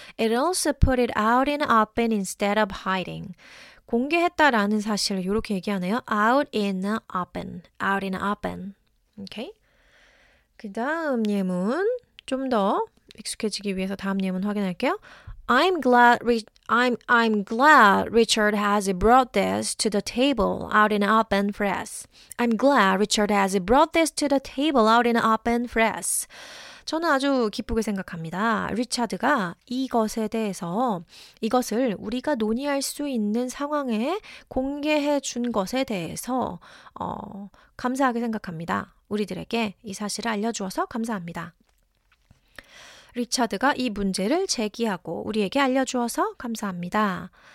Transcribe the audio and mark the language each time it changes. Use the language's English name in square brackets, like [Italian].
[English] It also put it out in the open instead of hiding. [Korean] 공개했다라는 사실을 이렇게 얘기하네요. [English] Out in the open. Out in the open. 오케이. Okay. [Korean] 그 다음 예문 좀 더 익숙해지기 위해서 다음 예문 확인할게요. [English] I'm glad Richard has brought this to the table out in open fresh. I'm glad Richard has brought this to the table out in open fresh. [Korean] 저는 아주 기쁘게 생각합니다. 리차드가 이것에 대해서 이것을 우리가 논의할 수 있는 상황에 공개해 준 것에 대해서 감사하게 생각합니다. 우리들에게 이 사실을 알려주어서 감사합니다. 리차드가 이 문제를 제기하고 우리에게 알려주어서 감사합니다.